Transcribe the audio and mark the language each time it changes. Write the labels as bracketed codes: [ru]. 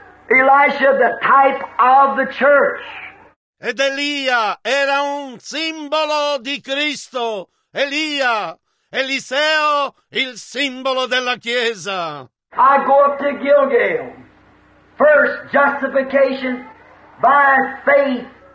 [en] Elisha, the type of the church. [it] Ed Elia era un simbolo di Cristo. Elia, Eliseo, il simbolo della Chiesa. [en] I go up to Gilgal. First, justification by faith.